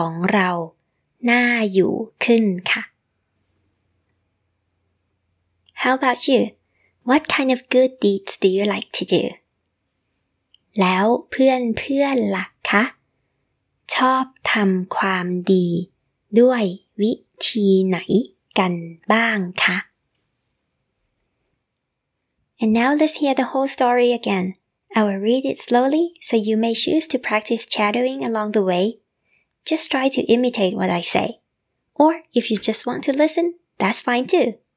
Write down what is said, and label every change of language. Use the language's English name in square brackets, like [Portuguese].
[Thai] แล้วก็ถ้าเราทุกคนทำก็จะทำให้โลกของเราน่าอยู่ขึ้นค่ะ [English] How about you? What kind of good deeds do you like to do? [Thai] แล้วเพื่อนๆล่ะคะ ชอบทำความดีด้วยวิธีไหนกันบ้างคะ [English] And now let's hear the whole story again. I will read it slowly so you may choose to practice chattering along the way. Just try to imitate what I say. Or if you just want to listen, that's fine too.